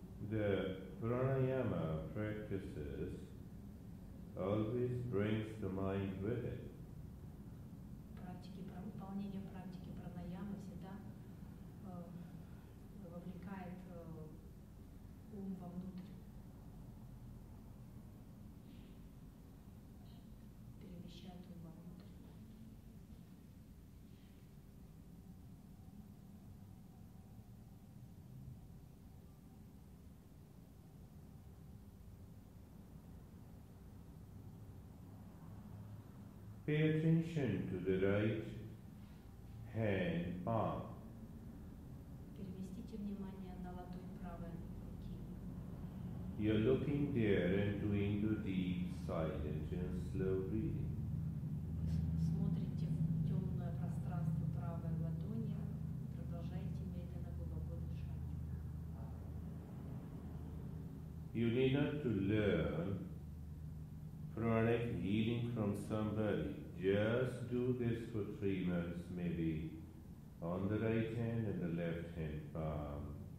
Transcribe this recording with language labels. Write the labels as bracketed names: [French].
[English] The pranayama practices always brings the mind with it. [Russian] Практики, выполнение практики пранаямы всегда вовлекает ум вовнутрь. Перемещает ум [English] Pay attention to the right hand palm. [Russian] Переместите внимание на ладонь правой руки. [English] You're looking there and doing the deep, silent, and slow breathing. [Russian] Смотрите в темное пространство правой ладони, продолжайте медленно глубоко дышать. [English] You need not to learn pranic healing from somebody. Just do this for 3 minutes, maybe on the right hand and the left hand palm.